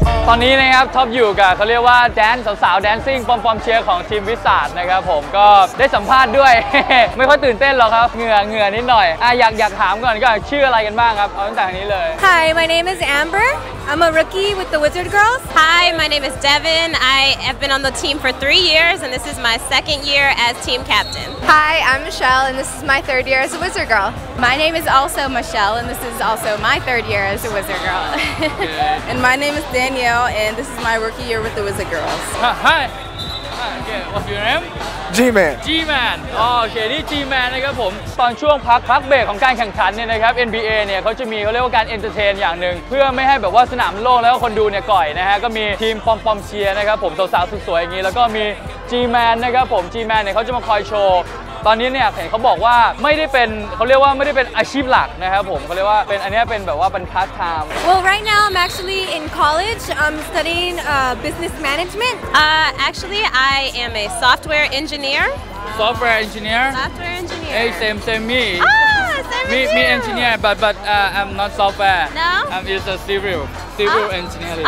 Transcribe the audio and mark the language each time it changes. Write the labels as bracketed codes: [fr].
[th] ตอนนี้นะครับท็อปอยู่กับเขาเรียกว่าแดนซ์สาวๆแดนซิ่งปอมปอมเชียร์ของทีมวิสาดนะครับผมก็ได้สัมภาษณ์ด้วย ไม่ค่อยตื่นเต้นหรอกครับเหงื่อนิดหน่อยอยากถามก่อนก็ชื่ออะไรกันบ้างครับเอาตั้งแต่นี้เลย [en] Hi my name is Amber I'm a rookie with the Wizard Girls Hi my name is Devin I have been on the team for 3 years and this is my second year as team captain Hi I'm Michelle and this is my 3rd year as a Wizard Girl My name is also Michelle and this is also my 3rd year as a Wizard Girl And my name is Danielle And this is my rookie year with the Wizard Girls. Hi. Okay. What's your name? G-Man. G-Man. Oh, okay. [th] นี่ G-Man นะครับผมตอนช่วงพักเบรกของการแข่งขันเนี่ยนะครับ NBA เนี่ยเขาจะมีเขาเรียกว่าการเอนเตอร์เทนอย่างนึงเพื่อไม่ให้แบบว่าสนามโล่งแล้วคนดูเนี่ยก่อยนะฮะก็มีทีมปอมเชียร์นะครับผมสาวสวยๆอย่างนี้แล้วก็มี G-Man นะครับผม G-Man เนี่ยเขาจะมาคอยโชว์ตอนนี้เนี่ยเห็นเขาบอกว่าไม่ได้เป็นเขาเรียกว่าไม่ได้เป็นอาชีพหลักนะครับผมเขาเรียกว่าเป็นอันนี้เป็นแบบว่าเป็นพาร์ทไทม์ [en] Well right now I'm actually in college I'm studying business management actually I am a software engineer software engineer same me me engineer but I'm not software no I'm just a civil engineer